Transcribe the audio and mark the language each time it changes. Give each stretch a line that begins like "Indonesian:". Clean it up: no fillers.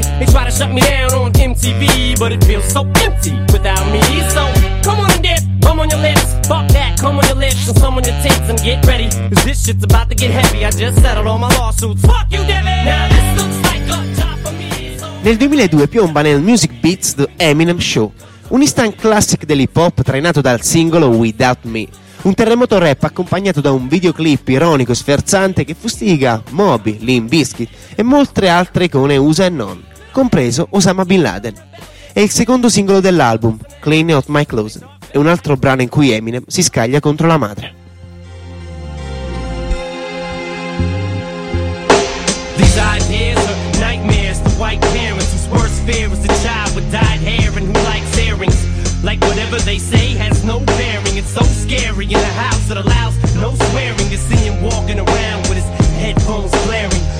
English: They try to shut me down on MTV, but it feels so empty without me, so... Come on and dip, come on your lips. Fuck that, come on your lips and come on your tits and get ready. Cause this shit's about to get heavy. I just settled all my lawsuits. Fuck you, Devin! Now this looks like a job for me.
Italian: Nel 2002 piomba nel Music Beats The Eminem Show, un instant classic dell'hip hop trainato dal singolo Without Me. Un terremoto rap accompagnato da un videoclip ironico e sferzante che fustiga Moby, Limp Bizkit e molte altre icone USA e non, compreso Osama Bin Laden. È il secondo singolo dell'album, Clean Out My Closet, e un altro brano in cui Eminem si scaglia contro la madre.
English: These ideas are nightmares to white parents whose worst fear is a child with dyed hair and who likes earrings. Like whatever they say has no bearing. It's so scary in a house that allows no swearing to see him walking around with his headphones blaring.